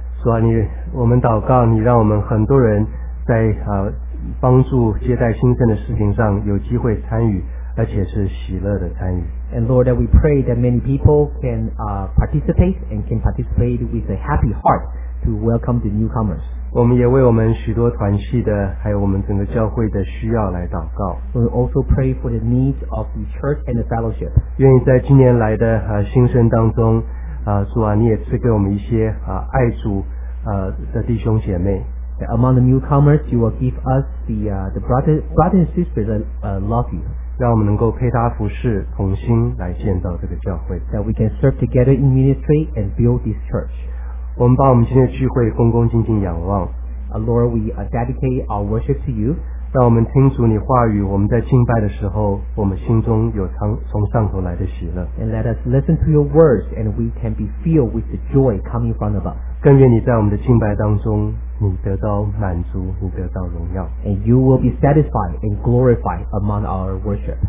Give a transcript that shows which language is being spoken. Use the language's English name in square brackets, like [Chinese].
[Chinese] 主啊你我们祷告你让我们很多人在帮助接待新生的事情上有机会参与而且是喜乐的参与 [English] And Lord that we pray that many people can participate and can participate with a happy heart to welcome the newcomers [Chinese] 我们也为我们许多团契的还有我们整个教会的需要来祷告 [English] We also pray for the needs of the church and the fellowship [Chinese] 愿意在今年来的新生当中主啊你也赐给我们一些爱主的弟兄姐妹 [English] that Among the newcomers you will give us the brother and sister that love you [Chinese] 让我们能够配搭服事同心来建造这个教会 [English] that we can serve together in ministry and build this church [Chinese] 我们把我们今天的聚会恭恭敬敬仰望 [English] Lord we dedicate our worship to you [Chinese] 让我们听主你话语我们在敬拜的时候我们心中有从上头来的喜乐 [English] and let us listen to your words and we can be filled with the joy coming from above [Chinese] 更愿你在我们的敬拜当中你得到满足，你得到荣耀。 [English] And you will be satisfied and glorified among our worship.